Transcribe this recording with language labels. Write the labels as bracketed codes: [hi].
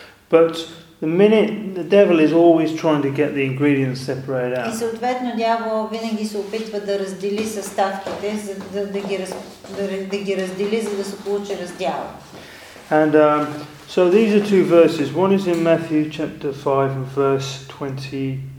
[en] But the minute the devil is always trying to get the ingredients separated out. [bg] И съответно дявол винаги се опитва да раздели съставките, за да ги раздели, за да се получи раздяла. [en] And so these are two verses. One is in Matthew chapter 5 and verse 20.